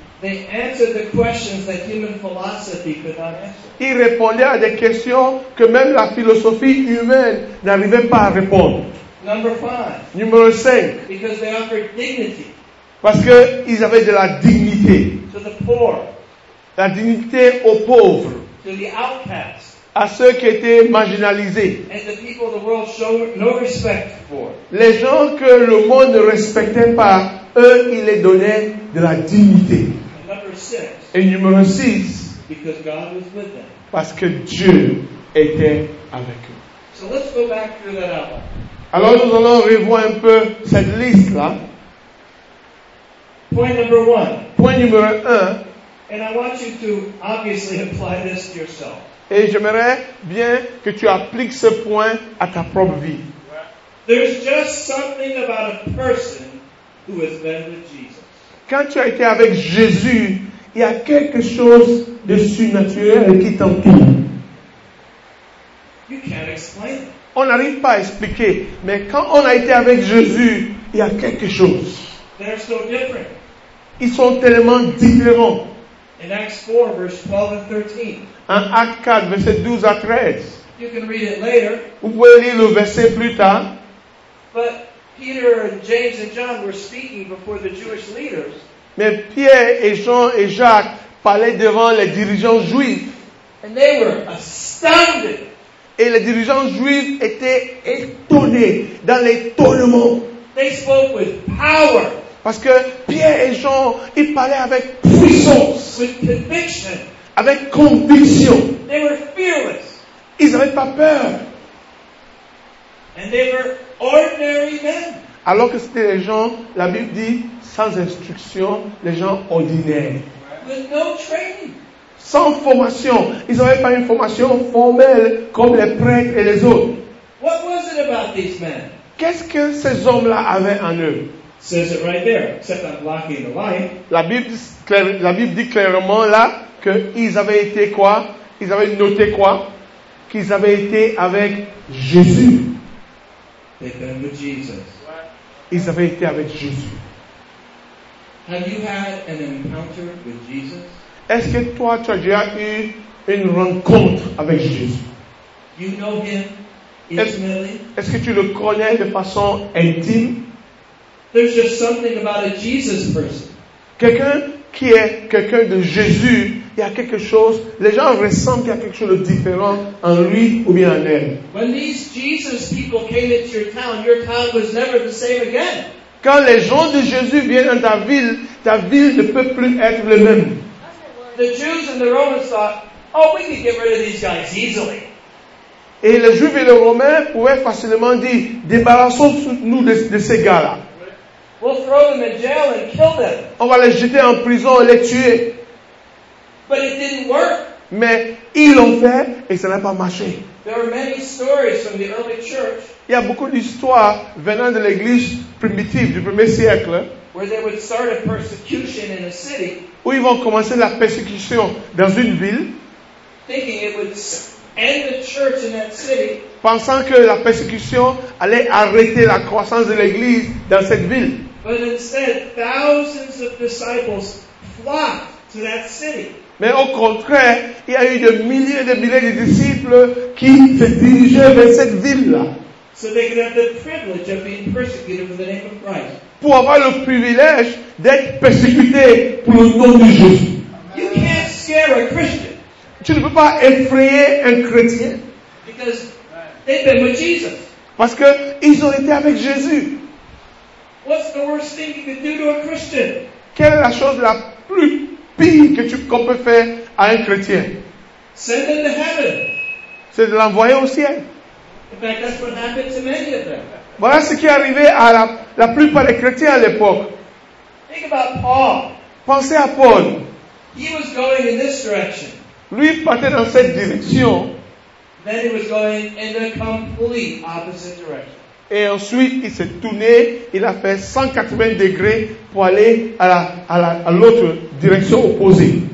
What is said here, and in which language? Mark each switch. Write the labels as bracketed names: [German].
[English] They answered the questions that human philosophy could not answer. [French] Ils répondaient à des questions que même la philosophie humaine n'arrivait pas à répondre. [English] Number five. [French] Numéro 5. [English] Because they offered dignity. [French] Parce qu'ils avaient de la dignité. [English] To the poor. [French] La dignité aux pauvres. [English] To the outcasts. [French] À ceux qui étaient marginalisés. [English] And the people the world showed no respect for. [French] Les gens que le monde ne respectait pas, eux, ils les donnaient de la dignité. [English] Number six. [French] Et numéro 6. [English] Because God was with them. [French] Parce que Dieu était avec eux. [English] So let's go back through that outline. [French] Alors nous allons revoir un peu cette liste-là. [English] Point number one. [French] Point numéro un. [English] And I want you to obviously apply this to yourself. [French] Et j'aimerais bien que tu appliques ce point à ta propre vie. [English] There's just something about a person who has been with Jesus. [French] Quand tu as été avec Jésus, il y a quelque chose de surnaturel qui t'entoure. [English] You can't explain it. [French] On n'arrive pas à expliquer, mais quand on a été avec Jésus, il y a quelque chose. [English] They're so different. [French] Ils sont tellement différents. [English] In Acts 4, verse 12 and 13. [French] En Acte 4, verset 12 à 13. [English] You can read it later. [French] Vous pouvez lire le verset plus tard. [English] But Peter and James and John were speaking before the Jewish leaders. [French] Mais Pierre et Jean et Jacques parlaient devant les dirigeants juifs. [English] And they were astounded. astounded. [French] Et les dirigeants juifs étaient étonnés dans l'étonnement. [English] They spoke with power. [French] Parce que Pierre et Jean, ils parlaient avec puissance. [English] With conviction. [French] Avec conviction. [English] They were fearless. [French] Ils n'avaient pas peur. [English] And they were ordinary men. [French] Alors que c'était les gens, la Bible dit, sans instruction, les gens ordinaires. [English] With no training. [French] Sans formation. Ils n'avaient pas une formation formelle comme les prêtres et les autres. [English] What was it about these men? [French] Qu'est-ce que ces hommes-là avaient en eux? [English] Says it right there, except I'm blocking the line. [French] La Bible dit clairement là qu'ils avaient été quoi? Ils avaient noté quoi? Qu'ils avaient été avec Jésus. [English] They've been with Jesus. [French] Ils avaient été avec Jésus. [English] Have you had an encounter with Jesus? [French] Est-ce que toi, tu as déjà eu une rencontre avec Jésus? [English] You know him intimately? [French] Est-ce que tu le connais de façon intime? [English] There's just something about a Jesus person. [French] Quelqu'un qui est quelqu'un de Jésus, il y a quelque chose, les gens ressentent qu'il y a quelque chose de différent en lui ou bien en elle. [English] When these Jesus people came into your town was never the same again. [French] Quand les gens de Jésus viennent dans ta ville ne peut plus être le même. [English] The Jews and the Romans thought, oh, we can get rid of these guys easily. [French] Et les Juifs et les Romains pouvaient facilement dire, débarrassons-nous de ces gars-là. [English] We'll throw them in jail and kill them. [French] On va les jeter en prison et les tuer. [English] But it didn't work. [French] Mais ils l'ont fait et ça n'a pas marché. [English] There are many stories from the early church. [French] Il y a beaucoup d'histoires venant de l'église primitive du premier siècle. [English] Where they would start a persecution in a city. [French] Où ils vont commencer la persécution dans une ville, [English] thinking it would end the church in that city, [French] pensant que la persécution allait arrêter la croissance de l'église dans cette ville. [English] But instead, thousands of disciples flocked to that city. [French] Mais au contraire, il y a eu des milliers et des milliers de disciples qui se dirigeaient vers cette ville-là. [English] So they could have the privilege of being persecuted in the name of Christ. [French] Pour avoir le privilège d'être persécuté pour le nom de Jésus. [English] You can't scare a Christian. [French] Tu ne peux pas effrayer un chrétien. [English] Because they've been with Jesus. [French] Parce qu'ils ont été avec Jésus. [English] What's the worst thing you can do to a Christian? [French] Quelle est la chose la plus pire que qu'on peut faire à un chrétien? [English] Send them to heaven. [French] C'est de l'envoyer au ciel. [English] In fact, that's what happened to many of them. [French] Voilà ce qui est arrivé à la plupart des chrétiens à l'époque. [English] Think about Paul. [French] Pensez à Paul. [English] He was going in this direction. [French] Lui partait dans cette direction. [English] Then he was going in the complete opposite direction. [French] Et ensuite, il s'est tourné, il a fait 180 degrés pour aller à l'autre direction opposée.